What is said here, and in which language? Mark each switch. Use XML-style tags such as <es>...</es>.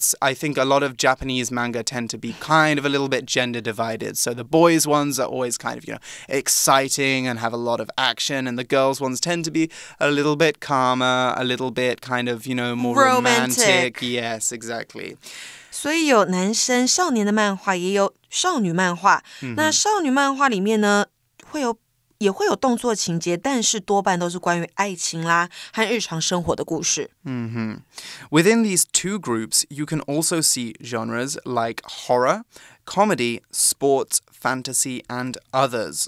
<en>I think a lot of Japanese manga tend to be kind of a little bit gender divided. So the boys' ones are always kind of, you know, exciting and have a lot of action. And the girls' ones tend to be a little bit calmer, a little bit kind of, you know, more romantic. Yes, exactly.</en> <zh>所以有男生少年的漫画，也有少女漫画。那少女漫画里面呢，也会有动作情节，但是多半都是关于爱情啦和日常生活的故事。</zh> <en>Within these two groups, you can also see genres like horror, comedy, sports, fantasy, and others.</en>